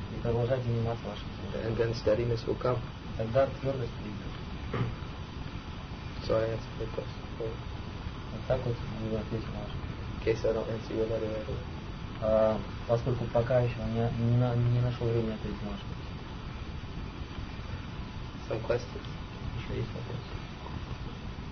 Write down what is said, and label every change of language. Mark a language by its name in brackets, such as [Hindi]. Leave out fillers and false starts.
[Russian] И продолжать заниматься вашим служением. [English] And then steadiness will come. [Russian] Тогда твердость придет. [English] So I answer the question. [Russian] Вот так вот мы ответим на ваш вопрос. [English] Okay, so I don't answer your letter right away. [Russian] Поскольку пока еще не нашел время ответить на ваш вопрос. [English] Some questions. [Russian] Еще есть вопросы?